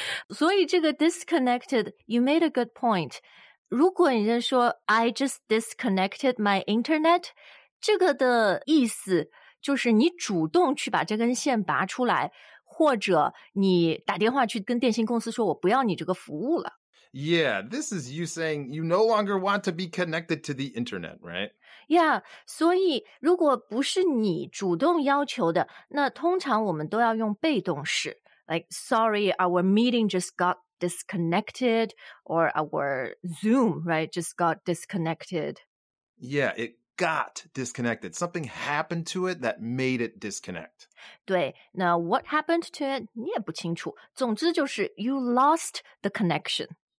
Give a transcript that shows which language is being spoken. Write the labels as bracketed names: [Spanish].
[Chinese] 所以这个 disconnected, [English] you made a good point. [Chinese] 如果你在说 [English] I just disconnected my internet, [Chinese] 这个的意思就是你主动去把这根线拔出来，或者你打电话去跟电信公司说我不要你这个服务了。 [English] Yeah, this is you saying you no longer want to be connected to the internet, right? [Chinese] Yeah, 所以如果不是你主动要求的，那通常我们都要用被动式。 [English] Like, sorry, our meeting just got disconnected, or our Zoom, right, just got disconnected. Yeah, it got disconnected. Something happened to it that made it disconnect. 对，那 what happened to it, [Chinese] 你也不清楚。总之就是 [English] you lost the connection.